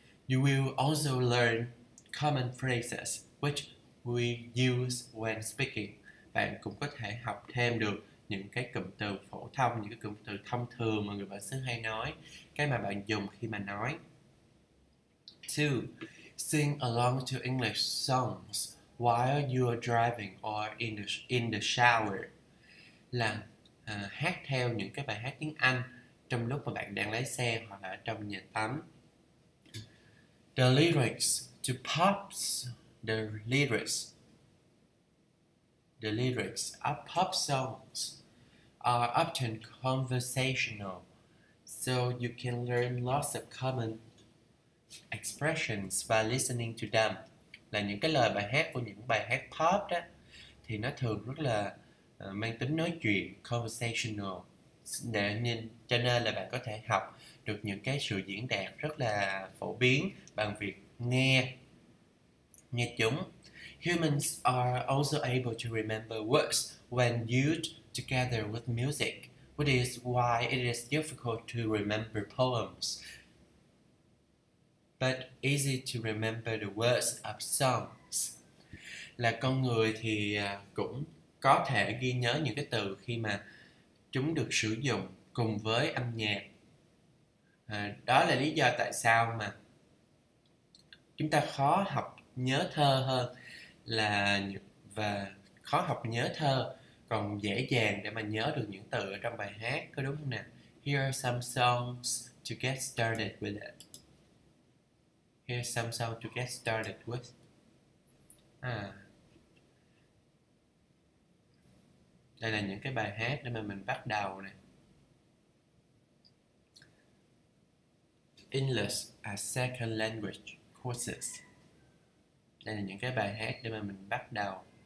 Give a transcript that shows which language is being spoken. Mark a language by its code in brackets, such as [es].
[en] You will also learn common phrases which we use when speaking. [vi] Bạn cũng có thể học thêm được những cái cụm từ phổ thông, những cái cụm từ thông thường mà người bản xứ hay nói, cái mà bạn dùng khi mà nói. 2. [en] Sing along to English songs while you're driving or in the shower. [vi] Là hát theo những cái bài hát tiếng Anh trong lúc mà bạn đang lái xe hoặc là trong nhà tắm. [en] The lyrics to pops, the lyrics of pop songs are often conversational, so you can learn lots of common expressions by listening to them. [vi] Là những cái lời bài hát của những bài hát pop đó thì nó thường rất là mang tính nói chuyện, conversational, nên cho nên là bạn có thể học được những cái sự diễn đạt rất là phổ biến bằng việc nghe chúng. [en] Humans are also able to remember words when used together with music, which is why it is difficult to remember poems, but easy to remember the words of songs. [vi] Là con người thì cũng có thể ghi nhớ những cái từ khi mà chúng được sử dụng cùng với âm nhạc. Đó là lý do tại sao mà chúng ta khó học nhớ thơ hơn là và khó học nhớ thơ, còn dễ dàng để mà nhớ được những từ ở trong bài hát, có đúng không nào? [en] Here are some songs to get started with it. Here are some songs to get started with. À. [vi] Đây là những cái bài hát để mà mình bắt đầu nè. [en] English as second language courses. [vi] Đây là những cái bài hát để mà mình bắt đầu.